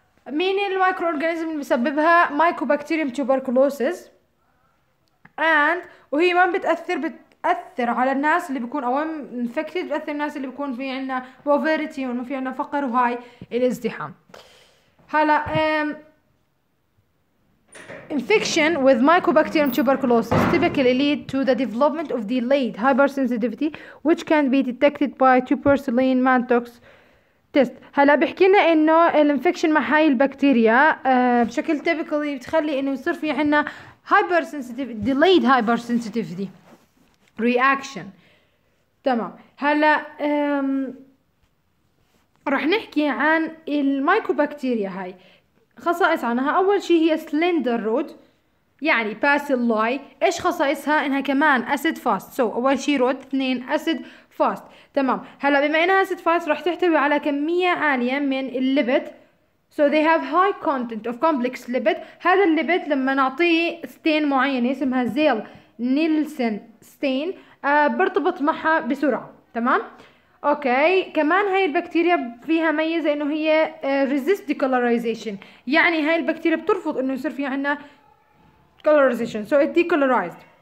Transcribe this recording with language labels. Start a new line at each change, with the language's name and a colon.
Arabic: مين الميكروorganism اللي بسببها؟ mycobacterium tuberculosis. And وهي ما بتأثر بتأثر على الناس اللي بيكون أوام infected، بتأثر الناس اللي بيكون في عنا poverty وما في عنا فقر وهاي الازدحام.
English: هلا infection with mycobacterium tuberculosis typically lead to the development of delayed hypersensitivity which can be detected by tuberculin mantox test.
Arabic: هلا بحكي لنا انه الانفكشن مع هاي البكتيريا بشكل typically بتخلي انه يصير في عنا hypersensitivity delayed hypersensitivity reaction، تمام. هلا رح نحكي عن المايكوبكتيريا هاي، خصائص عنها. اول شيء هي سلندر رود، يعني باسل لاي. ايش خصائصها؟ انها كمان اسيد فاست. سو اول شيء رود، اثنين اسيد فاست، تمام. هلا بما انها اسيد فاست رح تحتوي على كميه عاليه من الليبيد.
English: So they have high content of complex lipid.
Arabic: هذا الليبيد لما نعطيه ستين معين اسمها زيل نيلسن ستين برتبط معها بسرعة، تمام؟ اوكي. كمان هاي البكتيريا فيها ميزة انه هي resist decolorization، يعني هاي البكتيريا بترفض انه يصير في عنا colorization، so it decolorized.